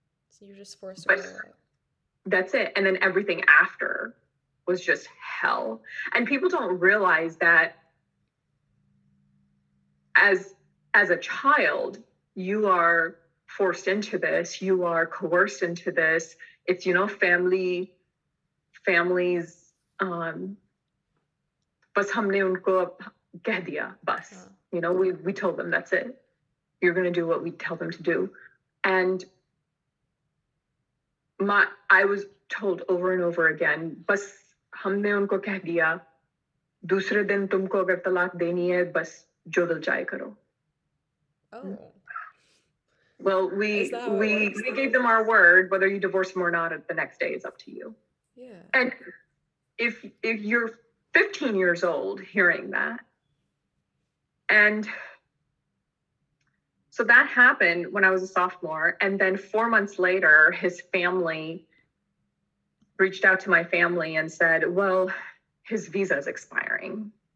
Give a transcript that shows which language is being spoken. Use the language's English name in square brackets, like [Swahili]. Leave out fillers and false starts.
[English] So you're just forced to roll it. That's it. And then everything after was just hell. And people don't realize that as a child, you are forced into this. You are coerced into this. It's, you know, families, [Urdu] بس ہمنے انکو کہہ دیا, بس. [English] You know, we told them that's it. You're going to do what we tell them to do. And I was told over and over again, [Urdu] بس ہمنے انکو کہہ دیا, دوسرے دن تمکو اگر طلاق دینی ہے, بس جو دل چاہے کرو. [English] Oh. Well, we gave them our word, whether you divorce them or not, the next day is up to you. Yeah. And if you're 15 years old hearing that, and so that happened when I was a sophomore, and then 4 months later, his family reached out to my family and said, well, his visa is expiring.